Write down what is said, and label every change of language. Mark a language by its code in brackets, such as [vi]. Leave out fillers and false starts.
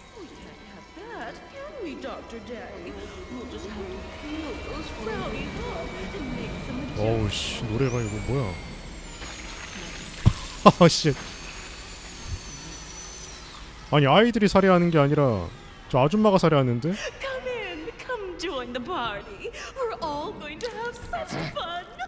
[en] We can't have that, can we, Dr. Day? We'll just have to fill those frowny holes and make some adjustments. [ko] 어우 씨, 노래가 이거 뭐야? 아 씨. 아니 아이들이 살해하는 게 아니라 저 아줌마가 살해하는데. [en] Come in. Come join the party. We're all going to have such fun.